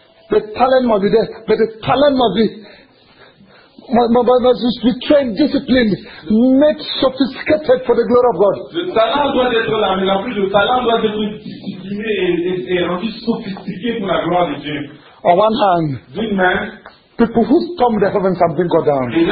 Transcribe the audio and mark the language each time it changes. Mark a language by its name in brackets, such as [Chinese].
[English] The talent must be there, but the talent must be trained, disciplined, made sophisticated for the glory of God. [French] Le talent doit être là, mais en plus le talent doit être discipliné et rendu sophistiqué pour la gloire de Dieu. [English] On one hand, [French] d'une main, [English] people who storm the heavens and bring God down.